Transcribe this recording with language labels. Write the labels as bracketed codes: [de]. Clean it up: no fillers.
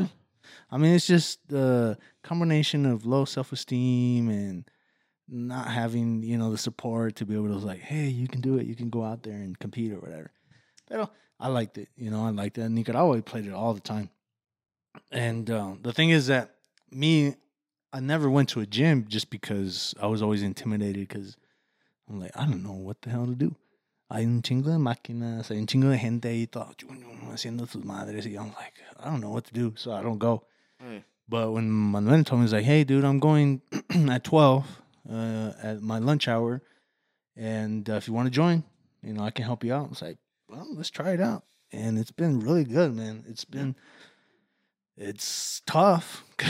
[en] No. I mean, it's just the combination of low self-esteem and not having, you know, the support to be able to, like, hey, you can do it. You can go out there and compete or whatever. But I liked it. You know, I liked it. Nicaragua, we played it all the time. And the thing is that me, I never went to a gym just because I was always intimidated because I'm like, I don't know what the hell to do. [es] Hay un chingo de máquinas, hay un chingo de gente ahí todo haciendo sus madres. [en] I'm like, I don't know what to do, so I don't go. Hey. But when Manuel told me, he's like, hey, dude, I'm going at 12 at my lunch hour. And if you want to join, you know, I can help you out. I was like, well, let's try it out. And it's been really good, man. It's been, it's tough.